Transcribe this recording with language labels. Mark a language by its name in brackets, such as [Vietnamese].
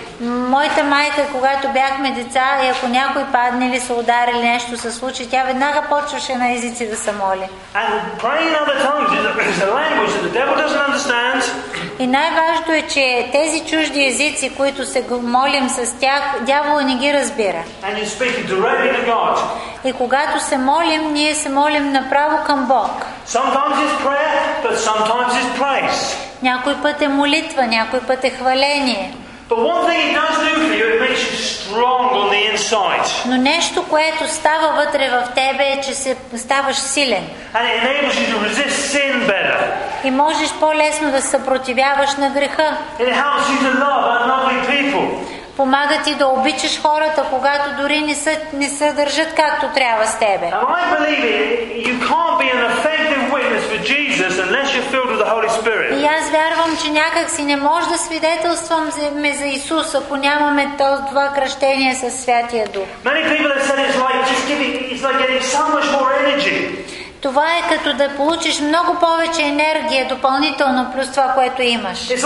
[Bulgarian] Моята майка, когато бяхме деца и ако някой падне или се удари или нещо се случи, тя веднага почваше на езици да се моли. [English] And praying in other tongues is a language that the devil doesn't understand. [Bulgarian] И най-важното е, че тези чужди езици, които се молим с тях, дявола не ги разбира. [English] And you speak directly to God. [Bulgarian] И когато се молим, ние се молим направо към Бог. [English] Sometimes it's prayer, but sometimes it's praise. [Bulgarian] Някой път е молитва, някой път е хваление. [English] But one thing it does do for you, it makes you strong on the inside. [Bulgarian] Но нещо, което става вътре в тебе, е, че се ставаш силен. [English] And it enables you to resist sin better. [Bulgarian] И можеш по-лесно да съпротивяваш на греха. [English] It helps you to love unlovely people. [Bulgarian] Помага ти да обичаш хората, когато дори не се държат както трябва с тебе. [English] And I believe you can't be an effective witness for Jesus unless you're filled with the Holy Spirit. [Bulgarian] И аз вярвам, че някак си не може да свидетелствам за Исус, ако нямаме това кръщение със Святия Дух. [English] Many people have said it's like getting so much more energy. [Bulgarian] Това е като да получиш много повече енергия допълнително плюс това, което имаш.